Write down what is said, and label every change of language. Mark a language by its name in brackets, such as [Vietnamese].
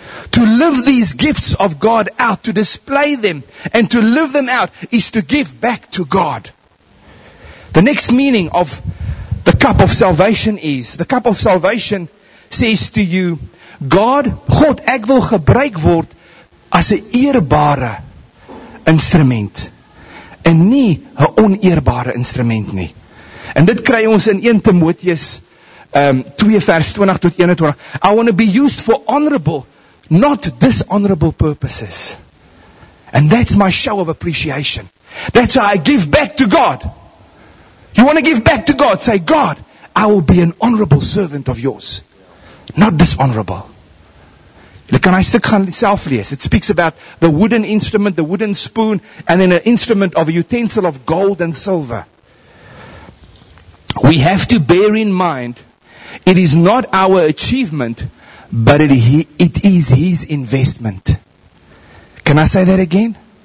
[English] To live these gifts of God out, to display them, and to live them out, is to give back to God. The next meaning of the cup of salvation is, the cup of salvation says to you, God, [Afrikaans] ek wil gebruik word as 'n eerbare instrument. En nie 'n oneerbare instrument nie. En dit kry ons in 1 Timoteus 2 vers 20 tot 21. [English] I want to be used for honorable, not dishonorable purposes. And that's my show of appreciation. That's how I give back to God. You want to give back to God? Say, God, I will be an honorable servant of yours. Not dishonorable. [Afrikaans] Jy kan hy stuk gaan self lees. [English] It speaks about the wooden instrument, the wooden spoon, and then an instrument of a utensil of gold and silver. We have to bear in mind, it is not our achievement, but it is His investment. Can I say that again?